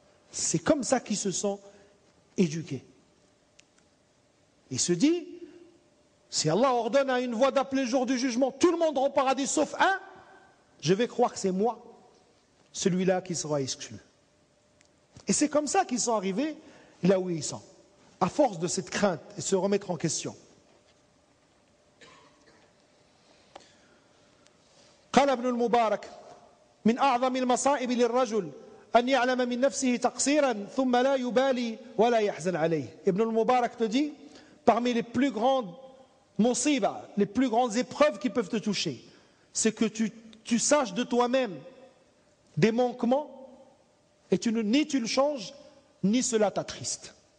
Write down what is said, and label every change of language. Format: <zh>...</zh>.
<fr>C'est comme ça qu'il se sent éduqué. Il se dit, si Allah ordonne à une voix d'appeler le jour du jugement, tout le monde au paradis sauf un, je vais croire que c'est moi, celui-là qui sera exclu. Et c'est comme ça qu'ils sont arrivés là où ils sont, à force de cette crainte et se remettre en question.</fr> <ar>قال ابن المبارك من أعظم المصائب للرجل أن يعلم من نفسه تقصيرا ثم لا يبالي ولا يحزن عليه.</ar> <fr>ابن المبارك te dit, parmi les plus grandes mosiba, les plus grandes épreuves qui peuvent te toucher, c'est que tu saches de toi-même des manquements et ni tu le changes, ni cela t'attriste.</fr>